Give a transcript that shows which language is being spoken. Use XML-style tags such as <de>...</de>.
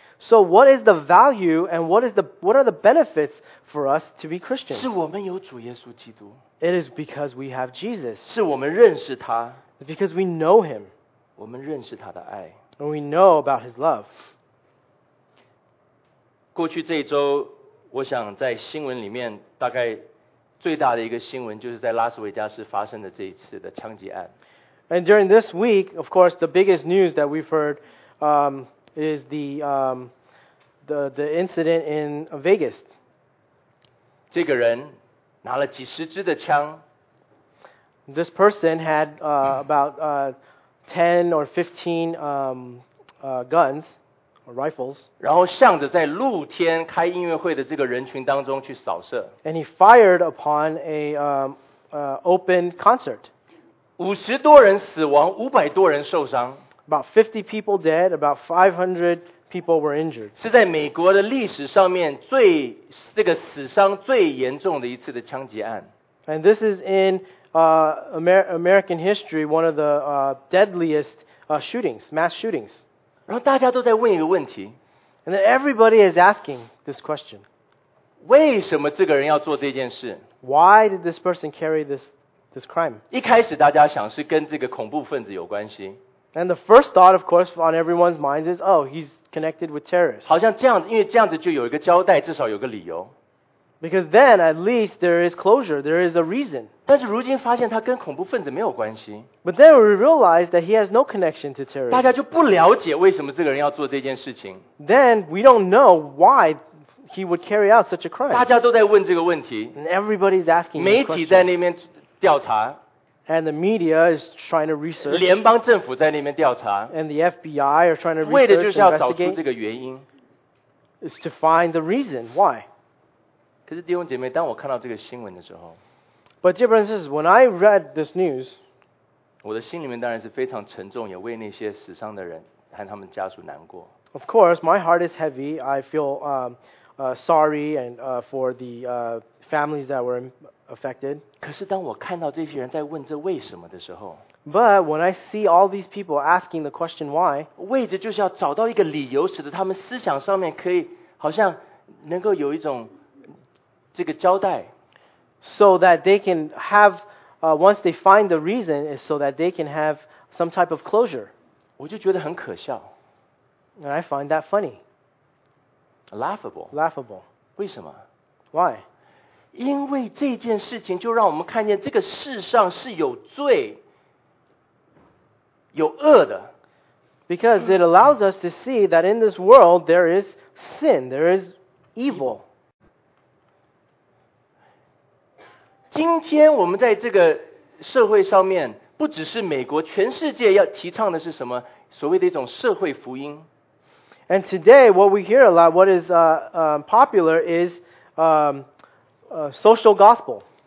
<en>So what is the value and what are the benefits for us to be Christians?</en> <zh>是我们有主耶稣基督。</zh> <en>It is because we have Jesus.</en> <zh>是我们认识他。</zh> <en>It's because we know him.</en> <zh>我们认识他的爱。</zh> <en>And we know about his love.</en> <zh>过去这一周，我想在新闻里面大概最大的一个新闻就是在拉斯维加斯发生的这一次的枪击案。</zh> <en>And during this week, of course, the biggest news that we've heard, is the incident in Vegas.</en> <zh>这个人拿了几十支的枪。</zh> <en>This person had about 10 or 15 guns, or rifles.</en> <zh>然后向着在露天开音乐会的这个人群当中去扫射。</zh> <en>And he fired upon a open concert.</en> <zh>50多人死亡，500多人受伤。</zh> <en>About 50 people dead, about 500 people were injured.</en> <zh>是在美国的历史上面最这个死伤最严重的一次的枪击案。</zh> <en>And this is in American history, one of the deadliest shootings, mass shootings.</en> <zh>然后大家都在问一个问题。</zh> <en>And then everybody is asking this question.</en> <zh>为什么这个人要做这件事？</zh> <en>Why did this person carry this crime?</en> <zh>一开始大家想是跟这个恐怖分子有关系。</zh> <en>And the first thought, of course, on everyone's minds is, oh, he's connected with terrorists.</en> <zh>好像这样子，因为这样子就有一个交代，至少有个理由。</zh> <en>Because then, at least, there is closure, there is a reason.</en> <zh>但是如今发现他跟恐怖分子没有关系。</zh> <en>But then we realize that he has no connection to terrorists.</en> <zh>大家就不了解为什么这个人要做这件事情。</zh> <en>Then we don't know why he would carry out such a crime.</en> <zh>大家都在问这个问题。</zh> <en>And everybody's asking this question.</en> <zh>媒体在那边调查。</zh> <en>And the media is trying to research.</en> <zh>联邦政府在那边调查。</zh> <en>And the FBI are trying to research and investigate.</en> <zh>为的就是要找出这个原因。</zh> <en>Is to find the reason why.</en> <zh>可是弟兄姐妹，当我看到这个新闻的时候</zh> <en>，But dear brothers, when I read this news,</en> <zh>我的心里面当然是非常沉重，也为那些死伤的人和他们家属难过。</zh> <en>Of course, my heart is heavy. I feel sorry and for the families that were affected.</en> <zh>可是当我看到这些人在问这为什么的时候</zh> <en>，But when I see all these people asking the question why,</en> <zh>为着就是要找到一个理由，使得他们思想上面可以好像能够有一种这个交代</zh> <en>，so that they can have once they find the reason, is so that they can have some type of closure.</en> <zh>我就觉得很可笑</zh> <en>，and I find that funny. Laughable.</en> <zh>为什么</zh> <en>？Why?</en> <zh>因为这件事情就让我们看见这个世上是有罪有恶的。</zh> <en>Because it allows us to see that in this world there is sin, there is evil.</en> <zh>今天我们在这个社会上面不只是美国，全世界要提倡的是什么？所谓的一种社会福音。</zh> <en>And today what we hear a lot, what is popular is social gospel.</en>